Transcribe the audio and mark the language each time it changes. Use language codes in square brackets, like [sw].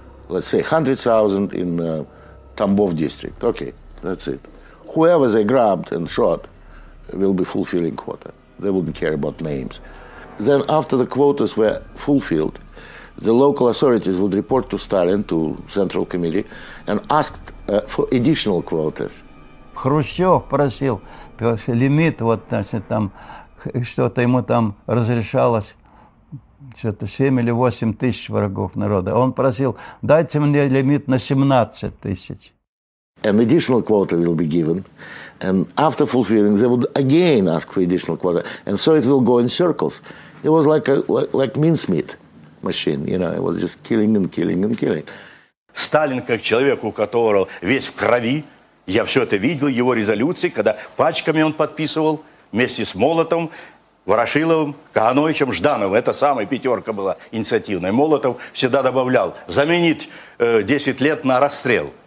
[en] Let's say 100,000 in Tambov district. Okay, that's it. Whoever they grabbed and shot will be fulfilling quota. They wouldn't care about names. Then after the quotas were fulfilled, the local authorities would report to Stalin, to Central Committee, and asked for additional quotas. [ru] Хрущев просил, лимит, вот, значит, там, что-то ему там разрешалось, что-то 7 или 8 тысяч врагов народа. Он просил, дайте мне лимит на 17 тысяч. [en] An additional quota will be given, and after fulfilling, they would again ask for additional quota, and so it will go in circles. It was like mincemeat machine, you know, it was just killing and killing and killing. [ru] Сталин, как человек, у которого весь в крови, я все это видел, его резолюции, когда пачками он подписывал, вместе с Молотовым, Ворошиловым, Кагановичем, Ждановым. Это самая пятерка была инициативная. Молотов всегда добавлял, заменить 10 лет на расстрел.